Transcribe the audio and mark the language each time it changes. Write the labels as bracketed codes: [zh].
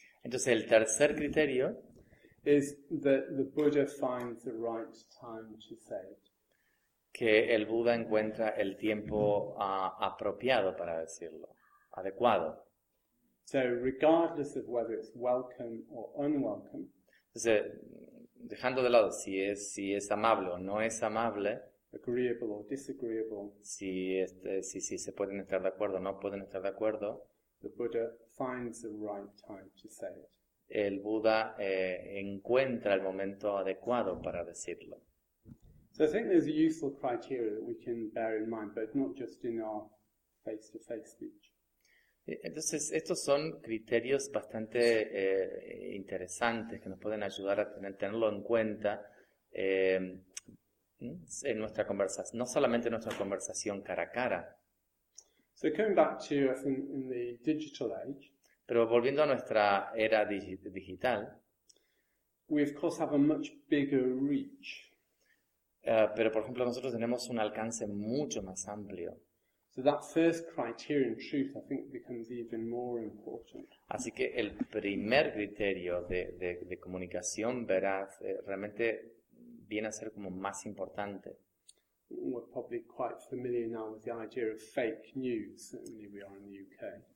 [es] Entonces el tercer criterio [en] is that the Buddha finds the right time to say it. [es] Que el Buda encuentra el tiempo apropiado para decirlo, adecuado. [en] So regardless of whether it's welcome or unwelcome. [es] Entonces, dejando de lado si es amable o no es amable. [en] Agreeable or disagreeable. [es] Si se pueden estar de acuerdo o no pueden estar de acuerdo. [en] The Buddha finds the right time to say it. [es] El Buda encuentra el momento adecuado para decirlo. [en] So I think there's a useful criteria that we can bear in mind, but not just in our face-to-face speech. [es] Entonces, estos son criterios bastante interesantes que nos pueden ayudar a tenerlo en cuenta en nuestra conversación, no solamente en nuestra conversación cara a cara. [en] So coming back to us in the digital age. [es] Pero volviendo a nuestra era digital. [en] We of course have a much bigger reach. [es] Pero por ejemplo nosotros tenemos un alcance mucho más amplio. [en] So that first criterion, truth, I think becomes even more important. [es] Así que el primer criterio de comunicación veraz realmente viene a ser como más importante. [en] We're probably quite familiar now with the idea of fake news. Certainly, we are in the UK.